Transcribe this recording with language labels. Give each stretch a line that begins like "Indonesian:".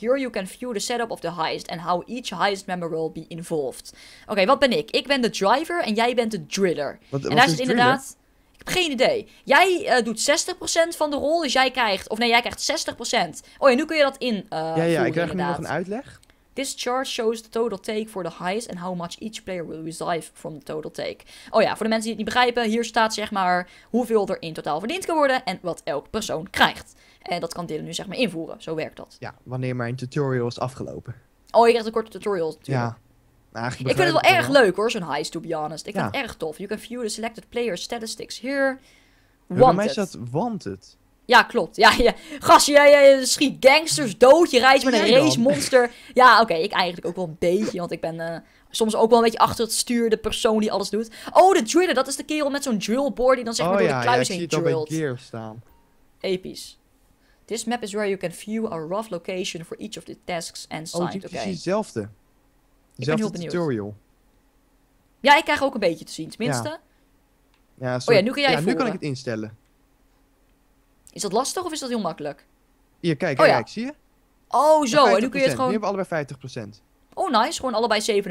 English: Here you can view the setup of the heist and how each heist member will be involved.
Dutch: Oké, wat ben ik? Ik ben de driver en jij bent de driller. Wat is het inderdaad? Ik heb geen idee. Jij doet 60% van de rol, dus jij krijgt... Of nee, jij krijgt 60%. Oh ja, nu kun je dat in. Ja, ik krijg nu nog een uitleg.
English: This chart shows the total take for the heist and how much each player will receive from the total take.
Dutch: Oh ja, voor de mensen die het niet begrijpen, hier staat zeg maar hoeveel er in totaal verdiend kan worden en wat elk persoon krijgt. En dat kan Dylan nu zeg maar invoeren, zo werkt dat. Ja, wanneer mijn tutorial is afgelopen. Oh, je krijgt een korte tutorial natuurlijk. Ja. Ik vind het wel erg leuk hoor, zo'n heist,
English: to be honest.
Dutch: Ik vind het erg tof.
English: You can view the selected player statistics here.
Dutch: Wanted. Bij mij staat wanted. Ja, klopt. Ja. Gast, je schiet gangsters dood. Je reist met een racemonster. Ja, oké. Ik eigenlijk ook wel een beetje. Want ik ben soms ook wel een beetje achter het stuur. De persoon die alles doet. Oh, de driller. Dat is de kerel met zo'n drillboard. Die dan zeg maar door de kluis heen drillt. Oh ja, ik zie het al bij Gears staan. Episch.
English: This map is where you can view a rough location for each of the tasks and signed. Oh,
Dutch: die precies hetzelfde. Zelfde tutorial. Ja, ik krijg ook een beetje te zien. Tenminste. Ja, ja, oh ja, nu kan jij nu kan ik het instellen. Is dat lastig of is dat heel makkelijk? Hier, kijk, oh, ja. Kijk, zie je? Oh, zo. En nu kun je het gewoon... Nu hebben we allebei 50%. Oh, nice. Gewoon allebei 57,5.